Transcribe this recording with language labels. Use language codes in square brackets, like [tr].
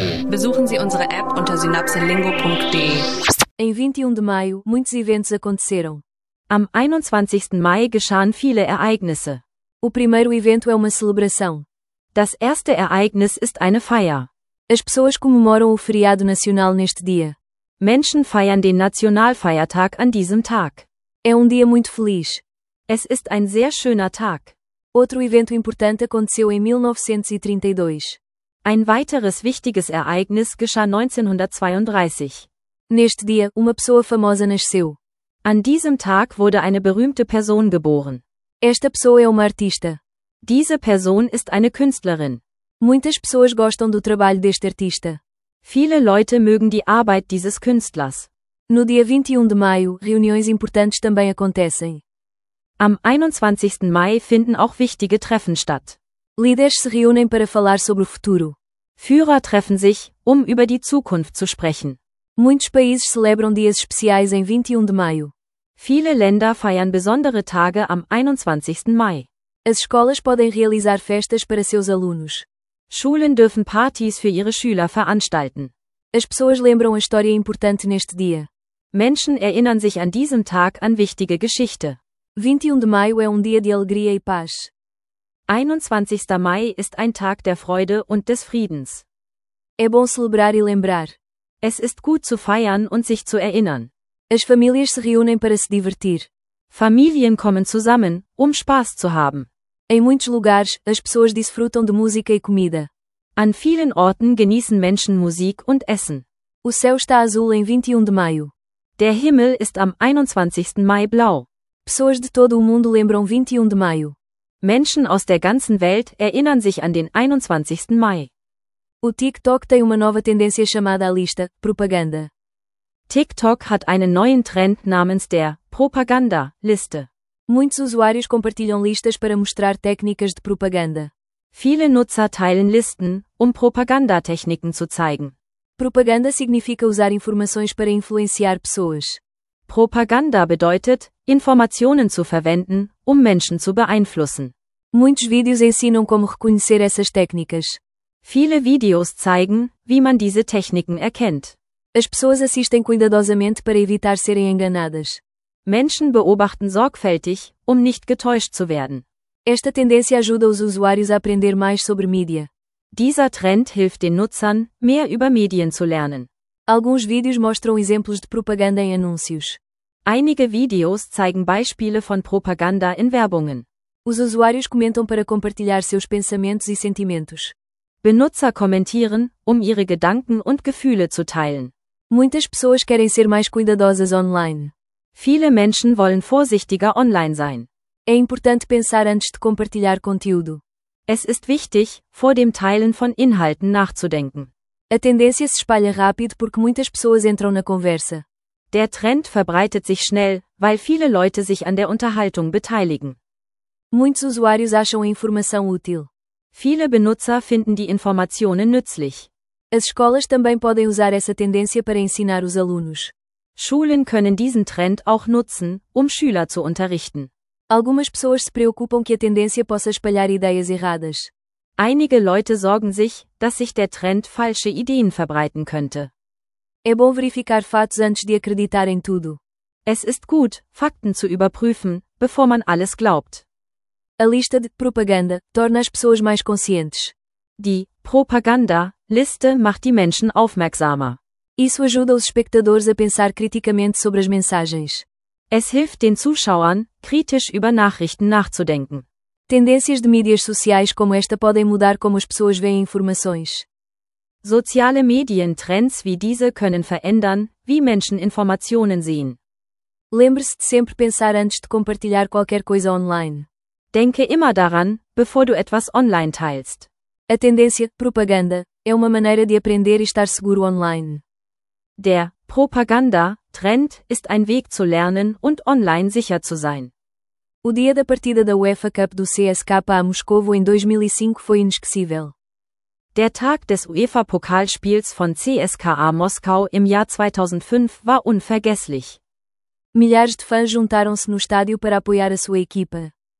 [de] Besuchen Sie unsere App unter synapselingo.de. [pt] Em 21 de maio, muitos eventos aconteceram. [de] Am 21. Mai geschahen viele Ereignisse. [pt] O primeiro evento é uma celebração. [de] Das erste Ereignis ist eine Feier. [pt] As pessoas comemoram o feriado nacional neste dia. [de] Menschen feiern den Nationalfeiertag an diesem Tag. [pt] É um dia muito feliz. [de] Es ist ein sehr schöner Tag. [pt] Outro evento importante aconteceu em 1932. [de] Ein weiteres wichtiges Ereignis geschah 1932. [pt] Neste dia, uma pessoa famosa nasceu. [de] An diesem Tag wurde eine berühmte Person geboren. [pt] Esta pessoa é uma artista. [de] Diese Person ist eine Künstlerin. [pt] Muitas pessoas gostam do trabalho deste artista. [de] Viele Leute mögen die Arbeit dieses Künstlers. [pt] No dia 21 de maio, reuniões importantes também acontecem. [de] Am 21. Mai finden auch wichtige Treffen statt. [pt] Líderes se reúnem para falar sobre o futuro. [de] Führer treffen sich, über die Zukunft zu sprechen. [pt] Muitos países celebram dias especiais em 21 de maio. [de] Viele Länder feiern besondere Tage am 21. Mai. [pt] As escolas podem realizar festas para seus alunos. [de] Schulen dürfen Partys für ihre Schüler veranstalten. [pt] As pessoas lembram a história importante neste dia. [de] Menschen erinnern sich an diesem Tag an wichtige Geschichte. [pt] 21 de maio é dia de alegria e paz. [de] 21. Mai ist ein Tag der Freude und des Friedens. [pt] É bom celebrar e lembrar. [de] Es ist gut zu feiern und sich zu erinnern. [pt] As famílias se reúnem para se divertir. [de] Familien kommen zusammen, Spaß zu haben. [pt] Em muitos lugares, as pessoas desfrutam de música e comida. [de] An vielen Orten genießen Menschen Musik und Essen. [pt] O céu está azul em 21 de maio. [de] Der Himmel ist am 21. Mai blau. [pt] Pessoas de todo o mundo lembram 21 de maio. [de] Menschen aus der ganzen Welt erinnern sich an den 21. Mai. [pt] O TikTok tem uma nova tendência chamada a lista, propaganda. [de] TikTok hat einen neuen Trend namens der Propaganda-Liste. [pt] Muitos usuários compartilham listas para mostrar técnicas de propaganda. [de] Viele Nutzer teilen Listen, Propagandatechniken zu zeigen. [pt] Propaganda significa usar informações para influenciar pessoas. [de] Propaganda bedeutet, Informationen zu verwenden, Menschen zu beeinflussen. [pt] Muitos vídeos ensinam como reconhecer essas técnicas. [de] Viele Videos zeigen, wie man diese Techniken erkennt. [pt] As pessoas assistem cuidadosamente para evitar serem enganadas. [de] Menschen beobachten sorgfältig, nicht getäuscht zu werden. [pt] Esta tendência ajuda os usuários a aprender mais sobre mídia. [de] Dieser Trend hilft den Nutzern, mehr über Medien zu lernen. [pt] Alguns vídeos mostram exemplos de propaganda em anúncios. [de] Einige Videos zeigen Beispiele von Propaganda in Werbungen. [pt] Os usuários comentam para compartilhar seus pensamentos e sentimentos. [de] Benutzer kommentieren, ihre Gedanken und Gefühle zu teilen. [pt] Muitas pessoas querem ser mais cuidadosas online. [de] Viele Menschen wollen vorsichtiger online sein. [pt] É importante pensar antes de compartilhar conteúdo. [de] Es ist wichtig, vor dem Teilen von Inhalten nachzudenken. [pt] A tendência se espalha rápido porque muitas pessoas entram na conversa. [de] Der Trend verbreitet sich schnell, weil viele Leute sich an der Unterhaltung beteiligen. [pt] Muitos usuários acham a informação útil. [de] Viele Benutzer finden die Informationen nützlich. [pt] As escolas também podem usar essa tendência para ensinar os alunos. [de] Schulen können diesen Trend auch nutzen, Schüler zu unterrichten. [pt] Algumas pessoas se preocupam que a tendência possa espalhar ideias erradas. [de] Einige Leute sorgen sich, dass sich der Trend falsche Ideen verbreiten könnte. [pt] É bom verificar fatos antes de acreditar em tudo. [de] Es ist gut, Fakten zu überprüfen, bevor man alles glaubt. [pt] A lista de propaganda torna as pessoas mais conscientes. [de] Die Propaganda-Liste macht die Menschen aufmerksamer. [pt] Isso ajuda os espectadores a pensar criticamente sobre as mensagens. [de] Es hilft den Zuschauern, kritisch über Nachrichten nachzudenken. [pt] Tendências de mídias sociais como esta podem mudar como as pessoas veem informações. [de] Soziale Medientrends wie diese können verändern, wie Menschen Informationen sehen. [pt] Lembre-se de sempre pensar antes de compartilhar qualquer coisa online. [de] Denke immer daran, bevor du etwas online teilst. [pt] A tendência, propaganda, é uma maneira de aprender e estar seguro online. [de] Der Propaganda-Trend ist ein Weg zu lernen und online sicher zu sein. [pt] O dia da partida da UEFA Cup do CSKA a Moscovo em 2005 foi inesquecível. [de] Der Tag des UEFA-Pokalspiels von CSKA Moskau im Jahr 2005 war unvergesslich. [pt] Milhares de fãs juntaram-se no estádio para apoiar a sua equipa.